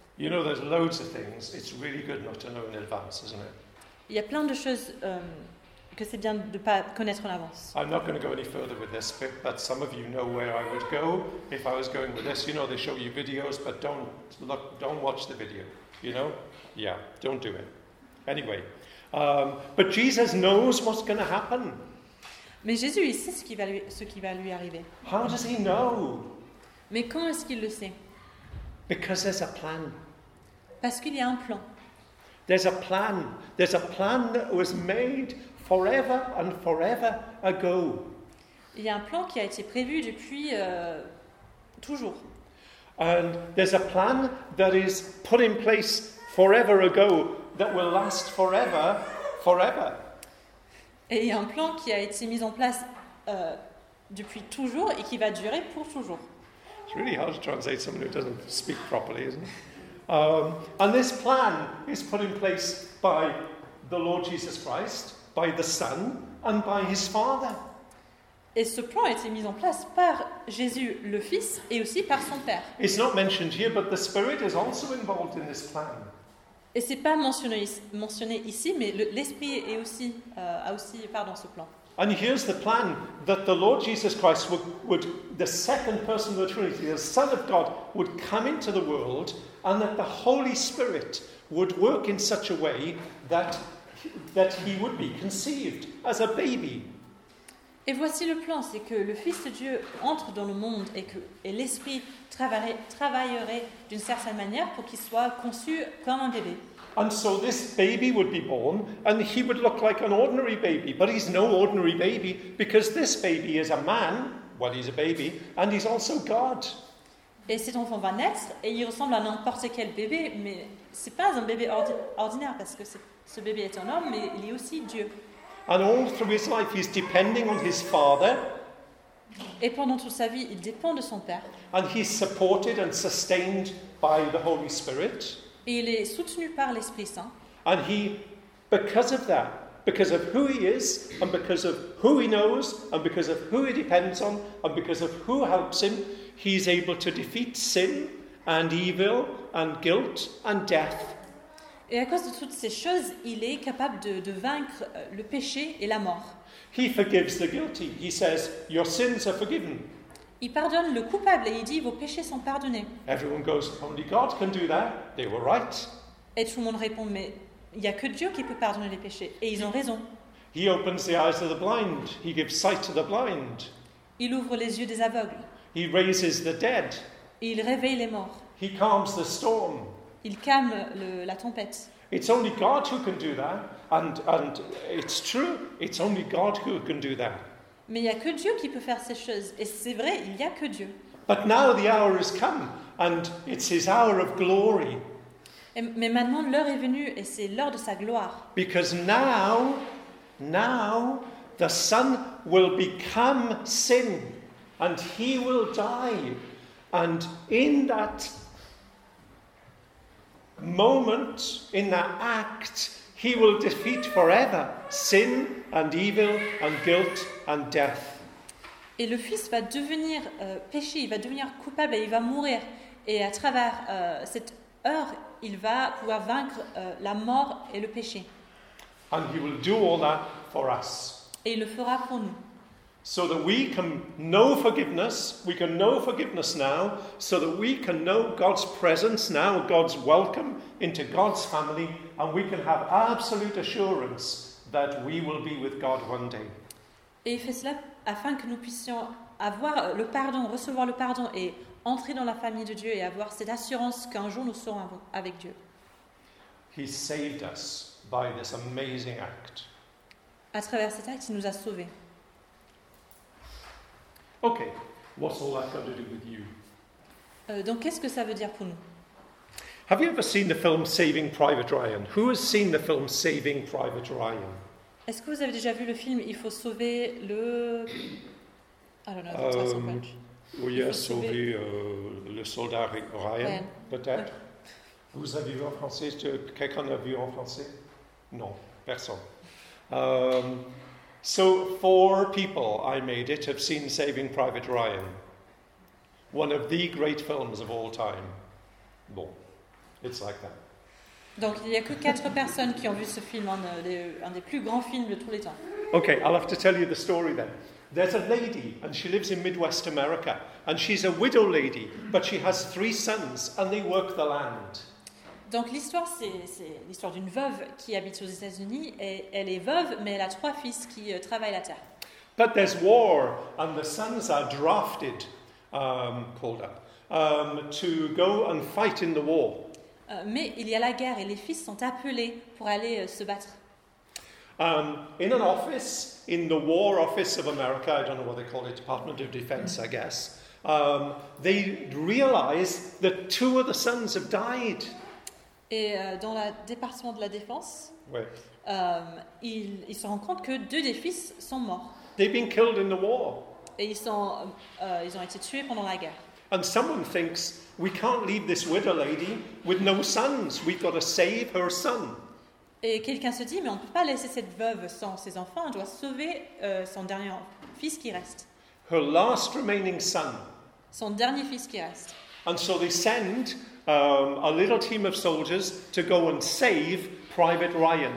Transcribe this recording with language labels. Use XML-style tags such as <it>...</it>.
<en>You know, there's loads of things. It's really good not to know in advance, isn't it?</en> <fr>Il y a plein de choses que c'est bien de ne pas connaître en avance.</fr> <en>I'm not going to go any further with this, but some of you know where I would go if I was going with this. You know, they show you videos, but don't watch the video. You know? Yeah, don't do it. Anyway, but Jesus knows what's going to happen.</en> <fr>Mais Jésus, il sait ce qui va lui arriver.</fr> <en>How does he know?</en> <fr>Mais comment est-ce qu'il le sait?</fr> <en>Because there's a plan.</en> <fr>Parce qu'il y a un plan.</fr> <en>There's a plan. There's a plan that was made forever and forever ago.</en> <fr>Il y a un plan qui a été prévu depuis toujours.</fr> <en>And there's a plan that is put in place forever ago that will last forever, forever.</en> <fr>Et il y a un plan qui a été mis en place depuis toujours et qui va durer pour toujours.</fr> <en>It's really hard to translate someone who doesn't speak properly, isn't it? And this plan is put in place by the Lord Jesus Christ, by the Son, and by his Father.</en> <fr>Et ce plan a été mis en place par Jésus le Fils et aussi par son Père.</fr> <en>It's not mentioned here, but the Spirit is also involved in this plan.</en> <fr>Et c'est pas mentionné ici, mais l'Esprit est aussi a aussi part dans ce plan.</fr> <en>And here's the plan that the Lord Jesus Christ would the second person of the Trinity, the Son of God, would come into the world, and that the Holy Spirit would work in such a way that he would be conceived as a baby.</en> <fr>Et voici le plan, c'est que le Fils de Dieu entre dans le monde et l'Esprit travaillerait d'une certaine manière pour qu'il soit conçu comme un bébé.</fr> <en>And so this baby would be born and he would look like an ordinary baby, but he's no ordinary baby because this baby is a man, well he's a baby, and he's also God.</en> <fr>Et cet enfant va naître et il ressemble à n'importe quel bébé, mais c'est pas un bébé ordinaire parce que ce bébé est un homme, mais il est aussi Dieu.</fr> <en>And all through his life, he's depending on his Father.</en> <fr>Et pendant toute sa vie, il dépend de son Père.</fr> <en>And he's supported and sustained by the Holy Spirit.</en> <fr>Et il est soutenu par l'Esprit Saint.</fr> <en>And he, because of that, because of who he is, and because of who he knows, and because of who he depends on, and because of who helps him, he's able to defeat sin and evil and guilt and death.</en> <fr>Et à cause de toutes ces choses, il est capable de vaincre le péché et la mort.</fr> <en>He forgives the guilty. He says, "Your sins are forgiven."</en> <fr>Il pardonne le coupable et il dit, "Vos péchés sont pardonnés."</fr> <en>Everyone goes, "Only God can do that." They were right.</en> <fr>Et tout le monde répond, "Mais il n'y a que Dieu qui peut pardonner les péchés." Et ils ont raison.</fr> <en>He opens the eyes of the blind. He gives sight to the blind.</en> <fr>Il ouvre les yeux des aveugles.</fr> <en>He raises the dead.</en> <fr>Il réveille les morts.</fr> <en>He calms the storm.</en> <fr>Il calme la tempête.</fr> <en>It's only God who can do that, and it's true. It's only God who can do that.</en> <fr>Mais il n'y a que Dieu qui peut faire ces choses, et c'est vrai, il n'y a que Dieu.</fr> <en>But now the hour has come, and it's His hour of glory.</en> <fr>Mais maintenant l'heure est venue, et c'est l'heure de sa gloire.</fr> <en>Because now the Son will become sin, and He will die, and in that moment, in that act, he will defeat forever sin and evil and guilt and death.</en> <fr>Et le Fils va devenir péché, il va devenir coupable et il va mourir. Et à travers cette heure, il va pouvoir vaincre la mort et le péché.</fr> <en>And he will do all that for us.</en> <fr>Et il le fera pour nous.</fr> <en>So that we can know forgiveness now, so that we can know God's presence now, God's welcome into God's family, and we can have absolute assurance that we will be with God one day.</en> <fr>Et il fait cela afin que nous puissions avoir le pardon, recevoir le pardon et entrer dans la famille de Dieu et avoir cette assurance qu'un jour nous serons avec Dieu.</fr> <en>He saved us by this amazing act.</en> <fr>À travers cet acte, il nous a sauvés.</fr> <en>Okay, what's all that got to do with you?</en> <fr>Donc, qu'est-ce que ça veut dire pour nous?</fr> <en>Have you ever seen the film Saving Private Ryan? Who has seen the film Saving Private Ryan?</en> <fr>Est-ce que vous avez déjà vu le film Il faut sauver le...</fr> <en>I don't know.</en> <fr>Oui, sauver le soldat Ryan, peut-être. Vous avez vu en français? Quelqu'un a vu en français? Non, personne.</fr> <en>So four people, I made it, have seen Saving Private Ryan. One of the great films of all time. Bon, it's like that.</en> <fr>Donc il n'y a que quatre personnes qui ont vu ce film, un des plus grands films de tous les temps.</fr> <en>Okay, I'll have to tell you the story then. There's a lady, and she lives in Midwest America, and she's a widow lady, but she has three sons, and they work the land.</en> <fr>Donc l'histoire, c'est l'histoire d'une veuve qui habite aux États-Unis et elle est veuve, mais elle a trois fils qui travaillent la terre.</fr> <en>But there's war and the sons are drafted, called up, to go and fight in the war.</en> <fr>Mais il y a la guerre et les fils sont appelés pour aller se battre.</fr> <en>In an office, in the War Office of America, I don't know what they call it, Department of Defense, I guess, they realize that two of the sons have died.</en> <fr>Et dans le département de la défense, ouais. Ils se rendent compte que deux des fils sont morts.</fr> <en>They've been killed in the war.</en> <fr>Et ils ont été tués pendant la guerre.</fr> <en>And someone thinks we can't leave this widow lady with no sons. We've got to save her son.</en> <fr>Et quelqu'un se dit, mais on ne peut pas laisser cette veuve sans ses enfants. On doit sauver son dernier fils qui reste.</fr> <en>Her last remaining son.</en> <fr>Son dernier fils qui reste.</fr> <en>And so they send a little team of soldiers to go and save Private Ryan.</en>